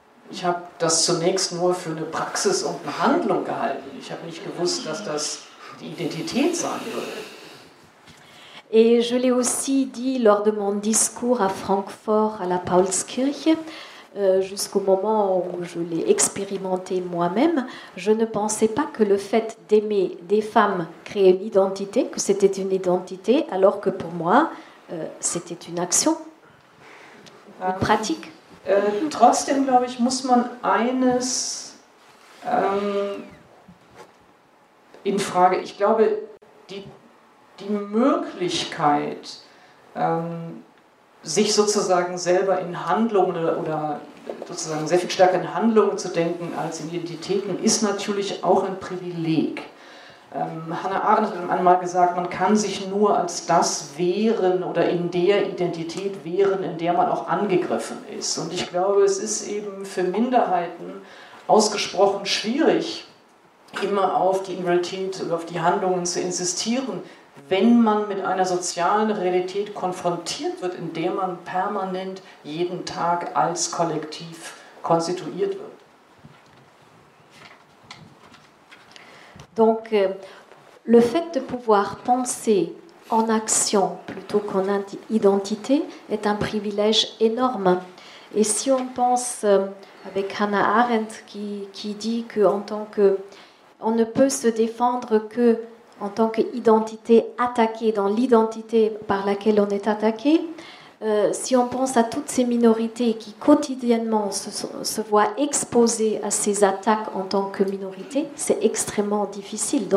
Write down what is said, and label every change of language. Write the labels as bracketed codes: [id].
[de] Ich habe das zunächst nur für eine Praxis und eine Handlung gehalten. Ich habe nicht gewusst, dass das die Identität sein würde. [fr] Et je l'ai aussi dit lors de mon discours à Francfort, à la Paulskirche, jusqu'au moment où je l'ai expérimenté moi-même, je ne pensais pas que le fait d'aimer des femmes créait une identité, que c'était une identité, alors que pour moi, c'était une action, une pratique. [de] Trotzdem, glaube ich, muss man eines in Frage. Ich glaube, die Möglichkeit, sich sozusagen selber in Handlungen oder sozusagen sehr viel stärker in Handlungen zu denken als in Identitäten, ist natürlich auch ein Privileg. Hannah Arendt hat einmal gesagt, man kann sich nur als das wehren oder in der Identität wehren, in der man auch angegriffen ist. Und ich glaube, es ist eben für Minderheiten ausgesprochen schwierig, immer auf die Invalidität oder auf die Handlungen zu insistieren, wenn man mit einer sozialen Realität konfrontiert wird, in der man permanent jeden Tag als Kollektiv konstituiert wird. [fr] Donc, le fait de pouvoir penser en action plutôt qu'en identité est un privilège énorme. Et si on pense avec Hannah Arendt qui dit que en tant que on ne peut se défendre que en tant qu'identité attaquée, dans l'identité par laquelle on est attaqué, si on pense à toutes ces minorités qui quotidiennement se voient exposées à ces attaques en tant que minorité, c'est extrêmement difficile.